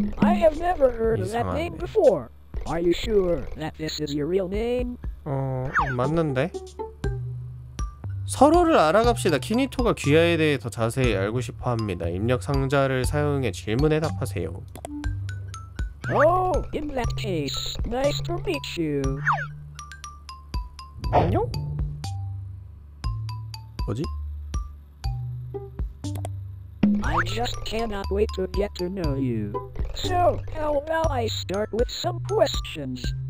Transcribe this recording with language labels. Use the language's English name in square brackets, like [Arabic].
[English] I have never heard of that name before. Are you sure that this is your real name? [Korean] 맞는데. 서로를 알아갑시다. 키니토가 귀하에 대해 더 자세히 알고 싶어 합니다. 입력 상자를 사용해 질문에 답하세요. [English] Oh, in that case, nice to meet you. [Korean] 안녕? 뭐지? [English] I just cannot wait to get to know you. So, how about I start with some questions?